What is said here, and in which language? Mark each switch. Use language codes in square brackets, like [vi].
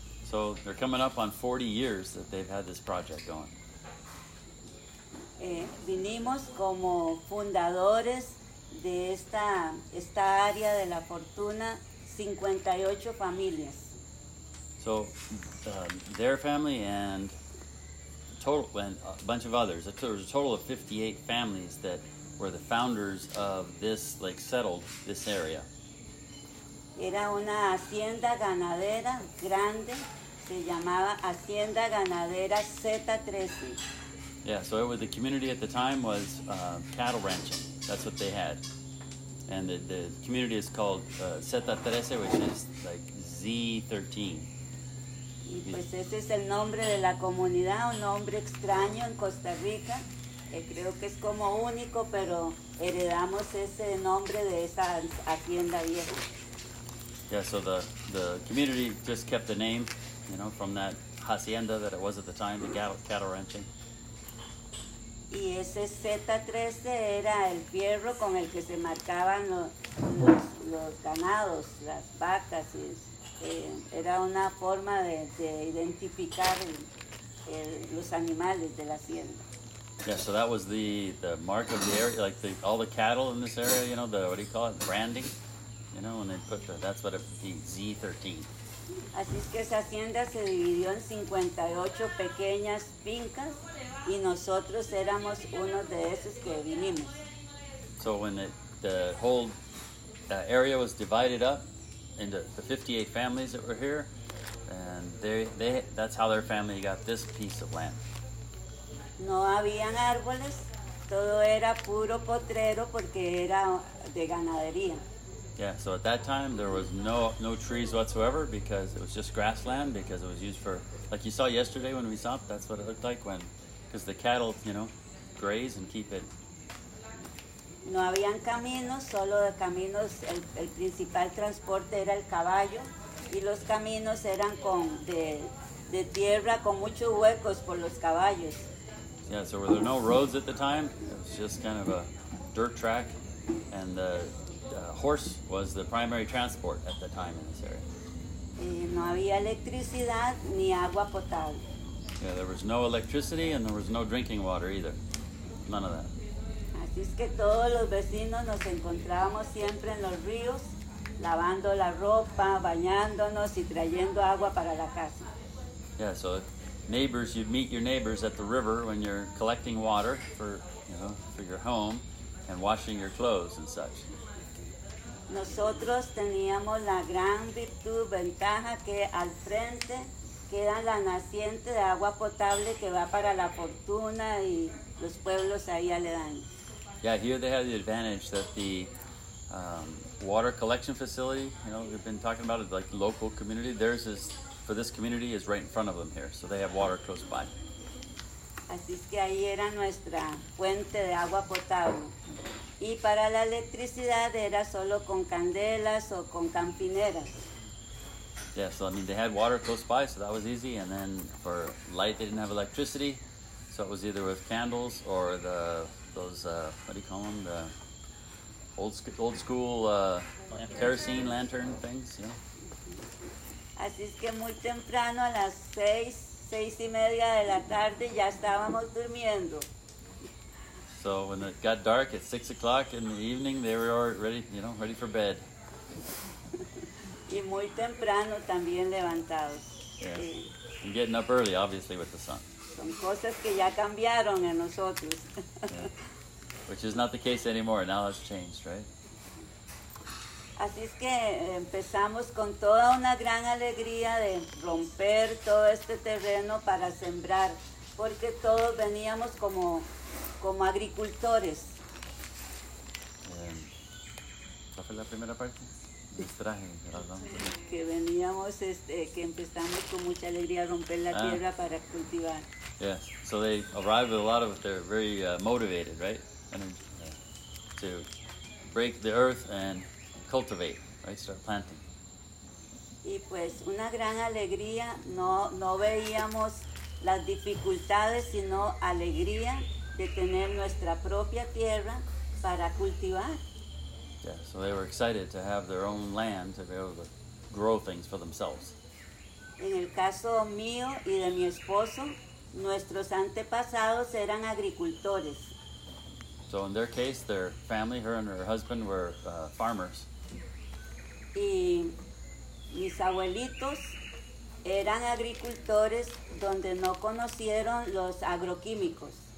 [en] So they're coming up on 40 years that they've had this project going. [es] Vinimos como fundadores de esta área de la fortuna, 58 familias. [en] So, their family and total and a bunch of others. There was a total of 58 families that were the founders of this, like, settled this area. [es] Era una hacienda ganadera grande. Se llamaba Hacienda Ganadera Z13. [en] Yeah, so it was, the community at the time was cattle ranching. That's what they had. And the community is called Z13, which is like Z13. [es] Y pues ese es el nombre de la comunidad, un nombre extraño en Costa Rica. Creo que es como único, pero heredamos ese nombre de esa hacienda vieja. [en] Yeah, so the community just kept the name, you know, from that hacienda that it was at the time, the cattle ranching. [es] Y ese Z13 era el fierro con el que se marcaban los ganados, las vacas. Y era una forma de identificar los animales de la hacienda. [en] Yeah, so that was the mark of the area, like the, all the cattle in this area, you know, the, what do you call it, branding, you know, and they put that's what it would be, Z13. [es] Así es que esa hacienda se dividió en 58 pequeñas fincas. Y nosotros éramos uno de esos que vinimos. [en] So when the whole area was divided up into the 58 families that were here, and they that's how their family got this piece of land. [es] No habían árboles, todo era puro potrero porque era de ganadería. [en] Yeah, so at that time there was no trees whatsoever because it was just grassland because it was used for, like you saw yesterday when we saw it, that's what it looked like when, because the cattle, you know, graze and keep it. [es] No habían caminos, solo de caminos. El principal transporte era el caballo, y los caminos eran con de tierra con muchos huecos por los caballos. [en] Yeah, so were there no roads at the time? It was just kind of a dirt track, and the horse was the primary transport at the time in this area. [es] No había electricidad ni agua potable. [en] Yeah, there was no electricity and there was no drinking water either. None of that. [es] Así es que todos los vecinos nos encontrábamos siempre en los ríos, lavando la ropa, bañándonos y trayendo agua para la casa. [en] Yeah, so neighbors, you'd meet your neighbors at the river when you're collecting water for, you know, for your home and washing your clothes and such. [es] Nosotros teníamos la gran virtud, ventaja, que al frente queda la naciente de agua potable que va para la fortuna y los pueblos ahí aledaños. [en] Yeah, here they have the advantage that the water collection facility, you know, we've been talking about it, like local community, theirs is, for this community, is right in front of them here. So they have water close by. [es] Así es que ahí era nuestra fuente de agua potable. Y para la electricidad era solo con candelas o con campineras. [en] Yeah, so I mean, they had water close by, so that was easy. And then for light, they didn't have electricity. So it was either with candles or the those, what do you call them? The old school kerosene lantern things, you know? [es] Así es que muy temprano, a las seis y media de la tarde, ya estábamos durmiendo. [en] So when it got dark at 6 o'clock in the evening, they were already, you know, ready for bed. [es] Y muy temprano también levantados. [en] Yeah. And getting up early, obviously, with the sun. [es] Son cosas que ya cambiaron en nosotros. [en] Yeah. Which is not the case anymore. Now it's changed, right? [es] Así es que empezamos con toda una gran alegría de romper todo este terreno para sembrar, porque todos veníamos como agricultores. ¿Cuál fue la primera parte? Distraje, que veníamos, que empezamos con mucha alegría a romper la tierra para cultivar. [en] Yeah, so they arrived with a lot of, they're very motivated, right? And to break the earth and cultivate, right? Start planting. [es] Y pues una gran alegría, no veíamos las dificultades, sino alegría de tener nuestra propia tierra para cultivar. [en] Yeah, so they were excited to have their own land to be able to grow things for themselves. [es] En el caso mío y de mi esposo, nuestros antepasados eran agricultores. [en] So in their case, their family, her and her husband, were farmers. [es] Y mis abuelitos eran agricultores donde no conocieron los agroquímicos.